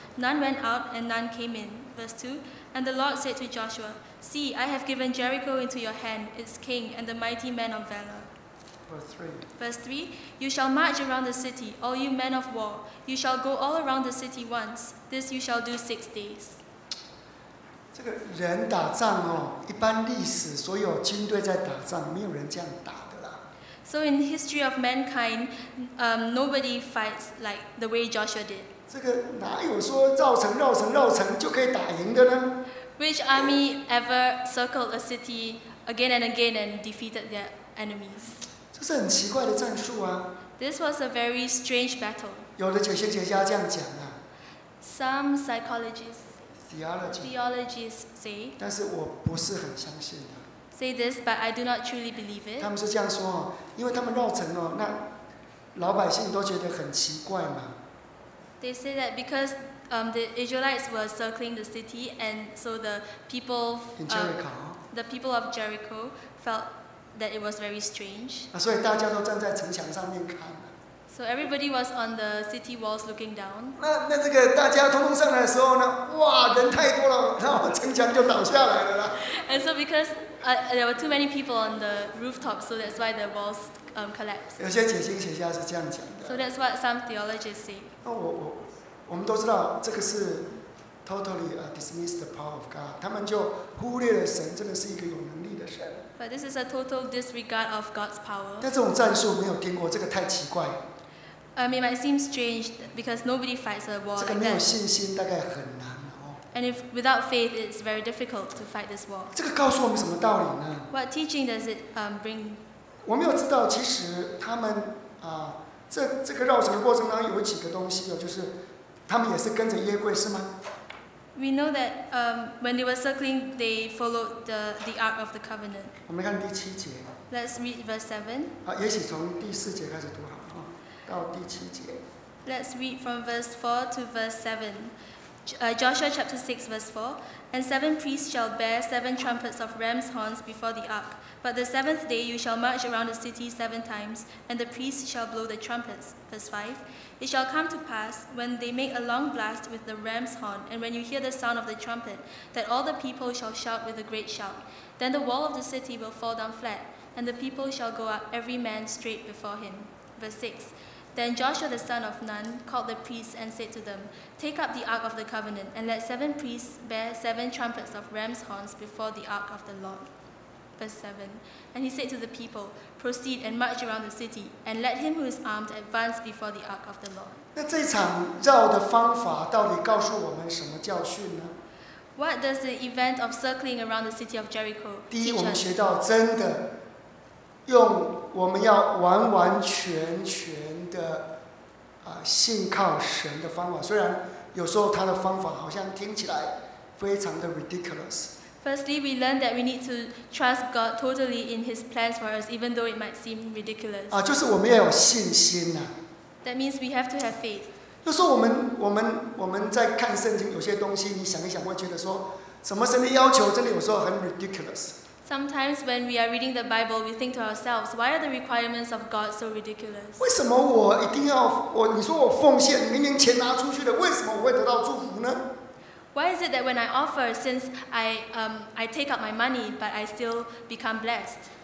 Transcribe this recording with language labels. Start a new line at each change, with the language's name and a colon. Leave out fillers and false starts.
English: None went out and none came in. Verse 2. And the Lord said to Joshua, See, I have given Jericho into your hand, its king, and the mighty men of valor. Verse 3. You shall march around the city, all you men of war. You shall go all around the city once. This you shall do 6 days.
Chinese: 这个人打仗哦，一般历史所有军队在打仗，没有人这样打的啦。
English: So in the history of mankind, nobody fights like the way Joshua did.
Chinese: 这个哪有说绕城就可以打赢的呢 w
English: Which army ever circled a city again and again and defeated their enemies?
Chinese: 这是很奇怪的战术啊。
English: This was a very strange battle.
Chinese: 有的解析学家这样讲啊。
English: Some psychologists. Theologists say.
Chinese: 但是我不是很相信的。
English: Say this, but I do not truly believe it.
Chinese: 他们是这样说哦，因为他们绕城哦，那老百姓都觉得很奇怪嘛。
English: They say that because the Israelites were circling the city, and so the people, in Jericho, the people of Jericho felt that it was very strange.
Chinese: 所以大家都站在城墙上面看。
English: So everybody was on the city walls looking down.
Chinese: 那这个大家通通上来的时候呢？哇，人太多了，然后城墙就倒下来了啦。
English: And so because there were too many people on the rooftop, so that's why the walls collapsed.
Chinese: 有些解经学家是这样讲的。
English: So that's what some theologians say.
Chinese: 我们都知道这个是
English: totally dismiss the power of God.
Chinese: 他们就忽略了神真的是一个有能力的神。
English: But this is a total disregard of God's power.
Chinese: 但这种战术没有听过，这个太奇怪。
English: It might seem strange because nobody fights a war like that.
Chinese: 这个没有信心大概很难哦。
English: And if without faith, it's very difficult to fight this war.
Chinese: 这个告诉我们什么道理呢？
English: What teaching does it bring?
Chinese: 我没有知道，其实他们这个绕城的过程当中有几个东西哦，就是。他们也是跟着耶柜是吗？
English: We know that when they were circling, they followed the Ark of the Covenant.
Chinese: 我们看第七节。
English: Let's read verse 7.
Chinese: 好，也许从第四节开始读好，到第七节。
English: Let's read from verse 4 to verse 7. Joshua chapter 6 verse 4. And seven priests shall bear seven trumpets of ram's horns before the ark. But the seventh day you shall march around the city seven times, and the priests shall blow the trumpets. Verse 5. It shall come to pass, when they make a long blast with the ram's horn, and when you hear the sound of the trumpet, that all the people shall shout with a great shout. Then the wall of the city will fall down flat, and the people shall go up every man straight before him. Verse 6. Then Joshua the son of Nun called the priests and said to them, Take up the Ark of the Covenant, and let seven priests bear seven trumpets of ram's horns before the Ark of the Lord. Verse 7. And he said to the people, Proceed and march around the city, and let him who is armed advance before the Ark of the Lord.
Chinese: 那这场绕的方法到底告诉我们什么教训呢？
English: What does the event of circling around the city of Jericho teach us?
Chinese: 第一，我们学到真的用我们要完完全全的信靠神的方法，虽然有时候他的方法好像听起来非常的 ridiculous。
English: Firstly, we learn that we need to trust God totally in His plans for us, even though it might seem ridiculous。
Chinese: 就是我们要有信心呐。
English: That means we have to have faith。
Chinese: 有时候我们在看圣经，有些东西你想一想，会觉得说，什么神的要求真的有时候很 ridiculous。
English: Sometimes when we are reading the Bible, we think to ourselves, why are the requirements of God so ridiculous?
Chinese: 为什么我一定要我你说我奉献明明钱拿出去了，为什么我会得到祝福呢？
English: Why is it that when I offer, since I take out my money, but I still become blessed?